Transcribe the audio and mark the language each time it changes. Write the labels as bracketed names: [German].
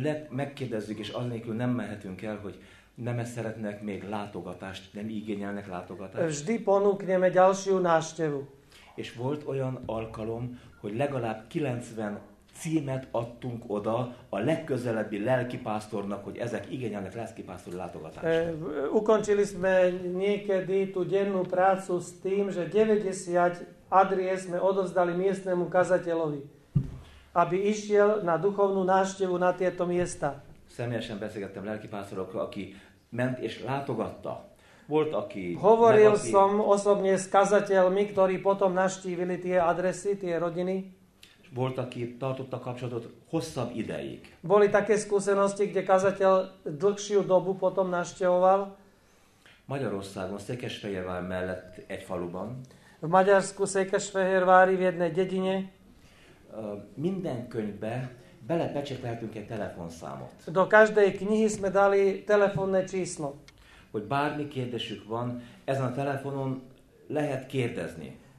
[Hungarian] Megkérdezzük, és annélkül nem mehetünk el, hogy nem szeretnek még látogatást, nem igényelnek látogatást. [Slovak] Vždy ponúkneme ďalšiu návštevu. [Hungarian] És volt olyan alkalom, hogy legalább 90 címet adtunk oda a legközelebbi lelkipásztornak, hogy ezek igényelnek lelkipásztori látogatást. [Slovak] Ukončili sme niekedy tú dennú prácu s tým, že 90 adries sme odovzdali miestnemu kazateľovi, aby išiel na duchovnú návštevu na tieto miesta. [Hungarian] Személyesen beszélgettem lelkipásztorokkal, aki ment és látogatta. Volt, aki... [Slovak] Hovoril som osobne s kazateľmi, ktorí potom navštívili tie adresy, tie rodiny. [Hungarian] Volt, aki tartotta kapcsolatot hosszabb ideig. [Slovak] Boli také skúsenosti, kde kazateľ dlhšiu dobu potom navštevoval. [Hungarian] Magyarországon, Székesfehérvár mellett egy faluban. [Slovak] V Maďarsku, Székesfehérvári, v jednej dedine. [Hungarian] Minden könyvbe... Belepecsételtünk egy telefonszámot. [Slovak] Do každej knihy sme dali telefónne číslo. [Hungarian] Hogy bármi kérdésük van, ezen a telefonon lehet kérdezni.